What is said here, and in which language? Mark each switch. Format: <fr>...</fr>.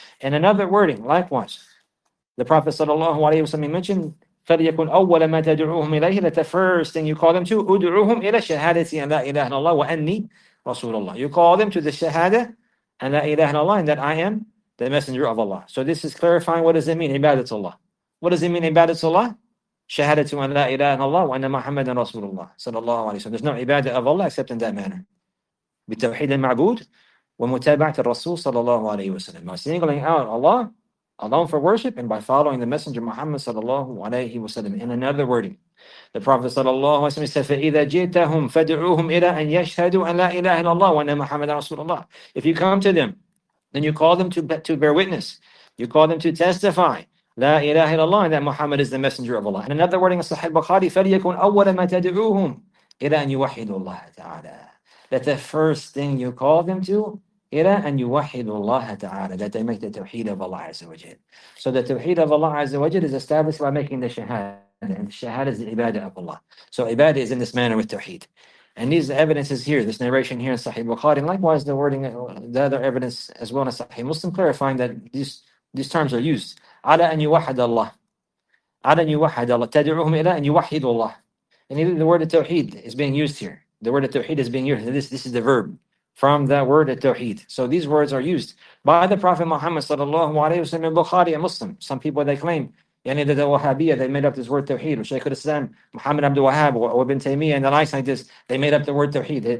<en>And another wording, likewise, the Prophet sallallahu alaihi wasallam mentioned,</en> <ar>فَلْيَكُنْ أَوَّلَ مَا تَدْعُوهُمْ إِلَيْهِ</ar> <en>That the first thing you call them to,</en> <ar>أُدْعُوهُمْ إِلَى الشَّهَادَةِ أَنْ لَا إِلَهَ إِلَّا اللَّهُ</ar> <en>وَأَنِّي رَسُولُ اللَّهِ You call them to the shahada,</en> <ar>أَنْ لَا إِلَهَ إِلَّا اللَّهُ</ar> <en>and that I am the messenger of Allah. So this is clarifying what does it mean, ibadatullah. What does it mean, ibadatullah?</en> <ar>Shahadatu أَنْ لَا إِلَهَ إِلَّا اللَّهُ وَأَنَّ مُحَمَّدًا رَسُولُ اللَّهِ صلى الله عليه وسلم.</ar> <en>There's no ibadah of Allah except in that manner.</en> <ar>بِتَوْحِيدِ الْمَعْبُودِ وَمُتَابَعَةِ الرَّسُولِ صلى الله عليه وسلم.</ar> <en>By singling out Allah alone for worship and by following the Messenger Muhammad sallallahu alayhi wa sallam. In another wording, the Prophet sallallahu alayhi wa sallam said,</en> <ar>فَإِذَا جِئْتَهُمْ فَدْعُوهُمْ إِلَىٰ أَنْ يَشْهَدُوا أَنْ لَا إِلَهَ إِلَّا اللَّهُ وَأَنَّ مُحَمَّدًا رَسُولُ اللَّهِ</ar> <en>If you come to them, then you call them to bear witness. You call them to testify. La ilaha illallah, and that Muhammad is the messenger of Allah. And another wording of Sahih Bukhari,</en> <ar>فَلْيَكُنْ أَوَّلَ مَا تَدْعُوهُمْ إِلَىٰ أَنْ يُوَحِدُوا اللَّهَ تَعَالَى</ar> <en>That the first thing you call them to,</en> <ar>إِلَىٰ أَنْ يُوَحِدُوا اللَّهَ تَعَالَى</ar> <en>That they make the tawheed of Allah Azza wa Jal. So the tawheed of Allah Azza wa Jal is established by making the shahada. And the shahada is the ibadah of Allah. So ibadah is in this manner with tawheed. And these evidences here, this narration here in Sahih Bukhari, and likewise the wording, the other evidence as well in Sahih Muslim, clarifying that these terms are used.</en> <ar>عَلَىٰ أَنْ يُوَحَدَ اللَّهِ عَلَىٰ أَنْ يُوَحَدَ اللَّهِ تَدْعُوهُمْ إِلَىٰ أَنْ يُوَحِدُوا اللَّهِ</ar> <en>And even the word of tawheed is being used here. The word of tawheed is being used. This is the verb. From that word at tawheed. So these words are used by the Prophet Muhammad sallallahu alayhi wa sallam in Bukhari and Muslim. Some people they claim, yani the Wahhabiyya, they made up this word tawheed, or Shaykh al-Islam, Muhammad Abdul Wahhab, or Ibn Taymiyyah, and the likes like this, they made up the word tawheed.</en>